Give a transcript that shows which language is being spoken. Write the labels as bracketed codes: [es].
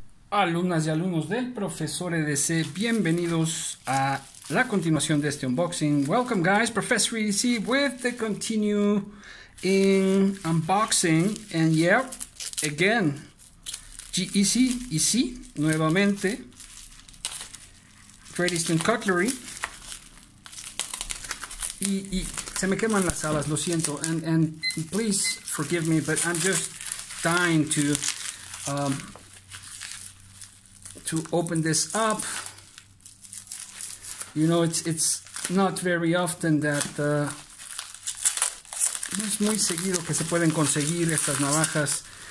[es] Alumnas y alumnos del profesor EDC, bienvenidos a la continuación de este unboxing. [en] Welcome guys, Professor EDC, with the continue in unboxing. And yeah, again, GEC, nuevamente, Great Eastern Cutlery. [es] Y se me queman las alas, lo siento. [en] And please forgive me, but I'm just dying to to open this up. You know, it's not very often that [es] no es muy seguido que se pueden conseguir estas navajas.